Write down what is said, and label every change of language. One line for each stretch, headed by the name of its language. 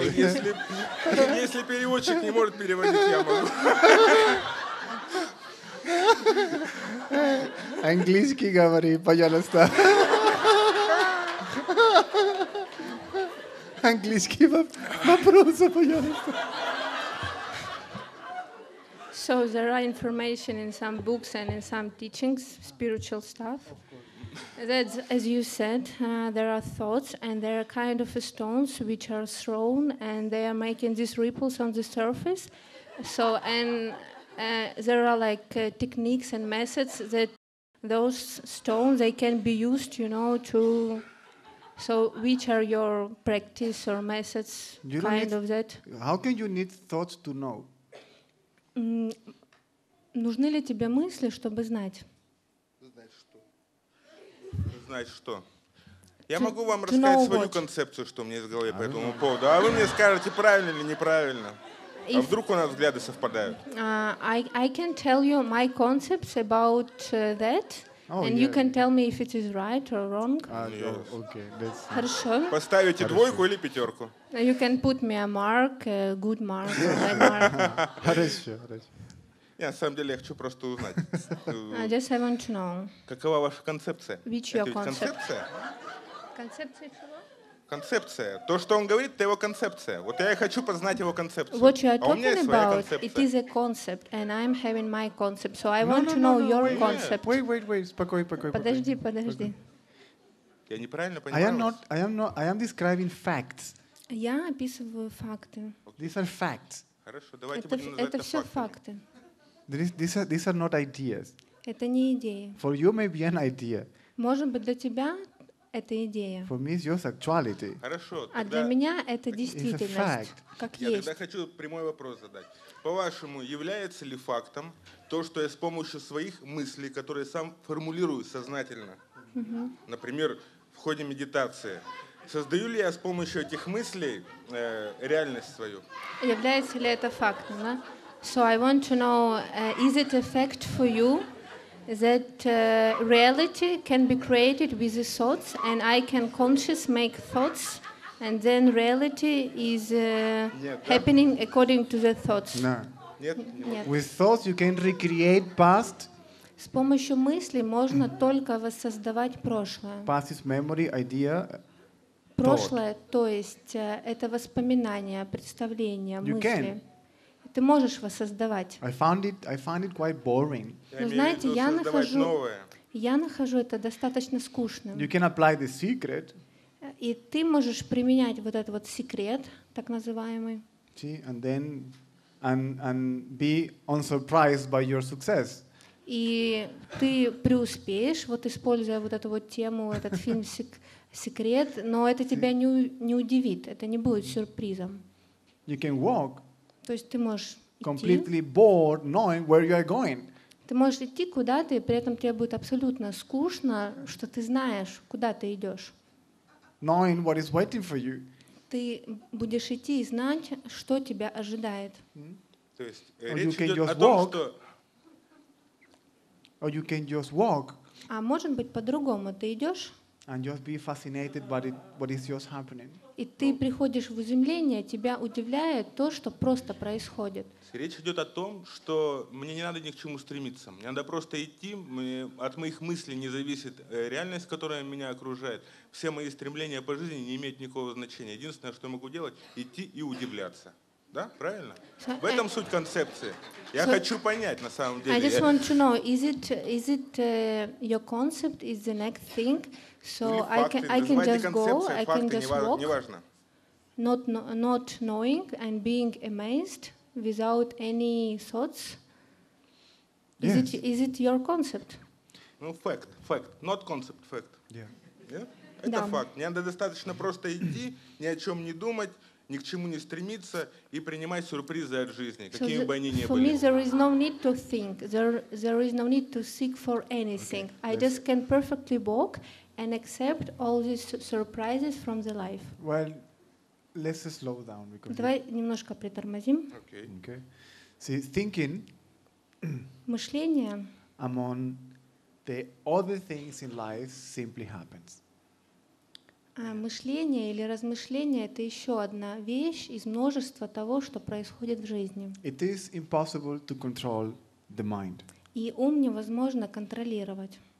Russian: Если переводчик не может переводить, я могу. Английский говори, пожалуйста. Английский вопрос, пожалуйста.
English: So there are information in some books and in some teachings, spiritual stuff. That, as you said, there are thoughts and there are kind of stones which are thrown and they are making these ripples on the surface. So and there are like techniques and methods that those stones they can be used, you know, to. So which are your practice or methods, you kind need, of that? How can you need thoughts to know?
Russian: Нужны ли тебе мысли, чтобы знать? Знать что? Знать что? Я могу вам рассказать свою концепцию, что у меня есть в голове по этому поводу. А вы мне скажете, правильно или неправильно? А вдруг у нас взгляды совпадают?
English: I can tell you my concepts about that, and you can tell me if it is right or wrong.
Russian: Хорошо. Поставите двойку или пятерку?
English: You can put me a mark, a good mark, or a mark.
Russian: Хорошо. Я на самом деле хочу просто узнать.
English: I just want to know.
Russian: Какова ваша концепция?
English: Which your concept?
Russian: Концепция? Концепция чего? Концепция. То, что он говорит, это его концепция. Вот я и хочу познать его концепцию.
English: What you are talking
Russian: а у меня есть
English: about,
Russian: своя концепция.
English: It is a concept, and I'm having my concept. So I want to know your concept. Wait, wait, wait.
Russian: Спокойно, спокойно. Подожди, подожди. Я неправильно понимаю.
English: I am describing facts.
Russian: Я описываю факты.
English: These are facts.
Russian: Хорошо, давайте будем называть это фактами. Это все факты.
English: These are not ideas.
Russian: Это не идеи.
English: For you may be an idea.
Russian: Может быть, для тебя это идея.
English: For me is your actuality.
Russian: Хорошо. А для меня это действительность, как есть. Я тогда хочу прямой вопрос задать. По-вашему, является ли фактом то, что я с помощью своих мыслей, которые сам формулирую сознательно, например, в ходе медитации, создаю ли я с помощью этих мыслей реальность свою? Является ли это фактом? Да?
English: So I want to know, is it a fact for you? That reality can be created with the thoughts, and I can conscious make thoughts, and then reality is happening according to the thoughts. No.
Russian: Нет.
English: With thoughts you can recreate past.
Russian: С помощью мыслей можно только воссоздавать прошлое.
English: Past is memory, idea.
Russian: Прошлое, то есть это воспоминания, представления,
English: you
Russian: мысли.
English: Can.
Russian: Ты можешь воссоздавать.
English: I find it quite boring.
Russian: Но знаете, я нахожу это достаточно скучным.
English: You can apply the secret.
Russian: И ты можешь применять вот этот вот секрет, так называемый.
English: See, and then be unsurprised by your success.
Russian: И ты преуспеешь, вот используя вот эту вот тему, этот фильм секрет, но это тебя не удивит, это не будет сюрпризом.
English: You can walk.
Russian: То есть ты можешь
English: completely Bored, knowing where you are going.
Russian: Ты можешь идти куда-то, и при этом тебе будет абсолютно скучно, что ты знаешь, куда ты идешь.
English: Knowing what is waiting for you.
Russian: Ты будешь идти и знать, что тебя ожидает.
English: Or you can just walk.
Russian: А может быть по-другому ты идешь?
English: And just be fascinated by it, what is just happening.
Russian: И ты приходишь в изумление, тебя удивляет то, что просто происходит. Речь идет о том, что мне не надо ни к чему стремиться. Мне надо просто идти, от моих мыслей не зависит реальность, которая меня окружает. Все мои стремления по жизни не имеют никакого значения. Единственное, что я могу делать, идти и удивляться. Да, правильно? В этом суть концепции. Я хочу понять, на самом деле.
English: I just want to know, is it your concept, is the next thing? So I can just go, I can just walk.
Russian: Неважно.
English: Not knowing and being amazed without any thoughts. Yes. Is it your concept? No, fact, not concept, fact. Yeah.
Russian: Это факт. Мне надо достаточно просто идти, ни о чем не думать, ни к чему не стремиться и принимать сюрпризы от жизни, какими бы они ни были.
English: For me there is no need to think. There is no need to seek for anything. Okay. I just can perfectly walk and accept all these surprises from the life. Well, let's slow down.
Russian: Давай немножко притормозим.
English: Okay. See, thinking.
Russian: Мышление.
English: Among the other things in life simply happens.
Russian: А мышление или размышление — это еще одна вещь из множества того, что происходит в жизни.
English: It is impossible to control the mind.
Russian: И ум невозможно контролировать.